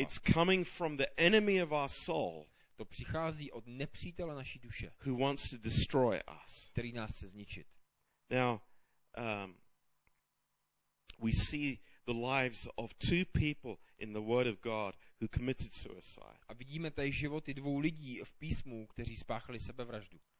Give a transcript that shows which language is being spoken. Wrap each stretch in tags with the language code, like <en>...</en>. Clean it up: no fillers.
<en>It's coming from the enemy of our soul.</en> <cs>To přichází od nepřítele naší duše.</cs> <en>Who wants to destroy us.</en> <cs>Který nás chce zničit.</cs> <en>Now, we see the lives of two people in the Word of God who committed suicide.</en> <cs>A vidíme tady životy dvou lidí v písmu, kteří spáchali sebevraždu.</cs>